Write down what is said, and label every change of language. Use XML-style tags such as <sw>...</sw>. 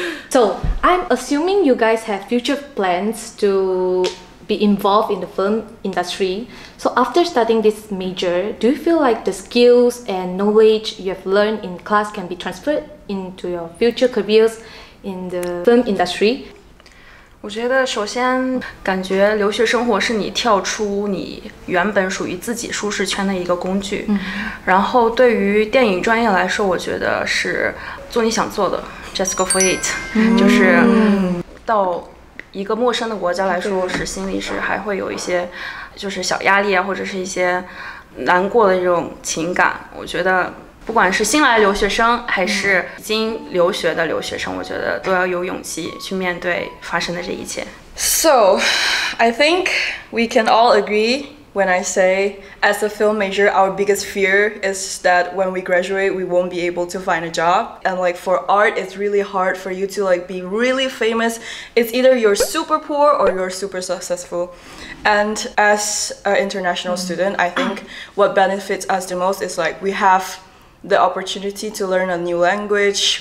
<en>So I'm assuming you guys have future plans to be involved in the film industry. So after studying this major, do you feel like the skills and knowledge you have learned in class can be transferred into your future careers in the film industry?</en> <zh>我觉得首先感觉留学生活是你跳出你原本属于自己舒适圈的一个工具。然后对于电影专业来说，我觉得是做你想做的 ，</zh> <en>just go for it，</en> <zh>就是到一个陌生的国家来说，是心里是还会有一些就是小压力啊，或者是一些难过的这种情感。我觉得不管是新来的留学生还是已经留学的留学生，我觉得都要有勇气去面对发生的这一切。</zh> <en>So, I think we can all agree when I say, as a film major, our biggest fear is that when we graduate, we won't be able to find a job. And like for art, it's really hard for you to like be really famous. It's either you're super poor or you're super successful. And as an international student, I think what benefits us the most is like we have the opportunity to learn a new language.</en>